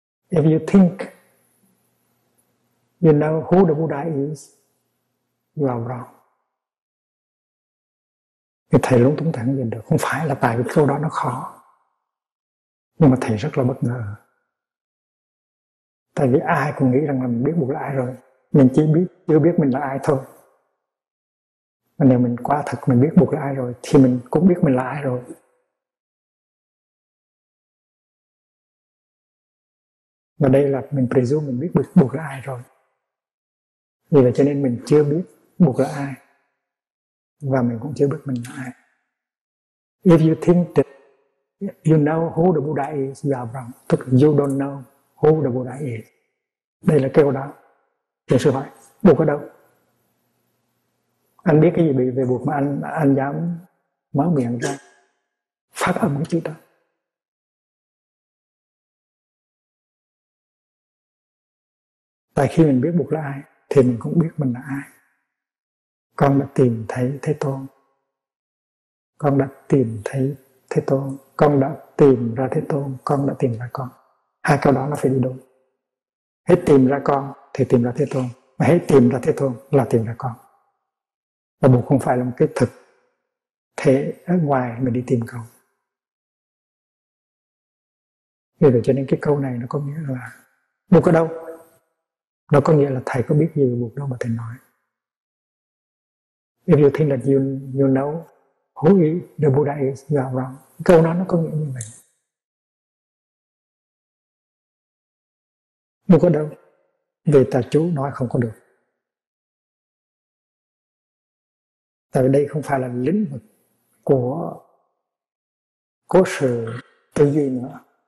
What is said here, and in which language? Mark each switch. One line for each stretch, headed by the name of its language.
English: If you think you know who the Buddha is, you are wrong.
Vietnamese: Thì thầy lúng túng thẳng nhìn được. Không phải là tại cái câu đó nó khó, nhưng mà thầy rất là bất ngờ. Tại vì ai cũng nghĩ rằng là mình biết Bụt là ai rồi. Mình chỉ biết, chưa biết mình là ai thôi. Mà nếu mình quá thật mình biết Bụt là ai rồi, thì mình cũng biết mình là ai rồi. Và đây là mình presume mình biết Bụt là ai rồi. Vì vậy cho nên mình chưa biết Bụt là ai và mình cũng chưa biết mình là ai.
English: If you think that you know who the Buddha is, you are wrong.
Vietnamese: Tức là
English: you don't know who the Buddha is.
Vietnamese: Đây là kêu đó. Thì sư hỏi Bụt ở đâu? Anh biết cái gì bị về Bụt mà anh dám mở miệng ra phát âm cái chữ đó? Tại khi mình biết Bụt là ai thì mình cũng biết mình là ai. Con đã tìm thấy Thế Tôn. Con đã tìm thấy Thế Tôn. Con đã tìm ra Thế Tôn. Con đã tìm ra con. Hai câu đó nó phải đi đôi. Hết tìm ra con thì tìm ra Thế Tôn. Mà hết tìm ra Thế Tôn là tìm ra con. Và Bụt không phải là một cái thực thể ở ngoài mình đi tìm con. Vì vậy cho nên cái câu này nó có nghĩa là Bụt ở đâu? Nó có nghĩa là thầy có biết gì về Bụt đâu mà thầy nói.
English: If you think that you know who the Buddha is, you are wrong.
Vietnamese: Câu nói nó có nghĩa như vậy. Bụt ở đâu? Vì tài chú nói không có được. Tại vì đây không phải là lĩnh vực của sự tư duy nữa.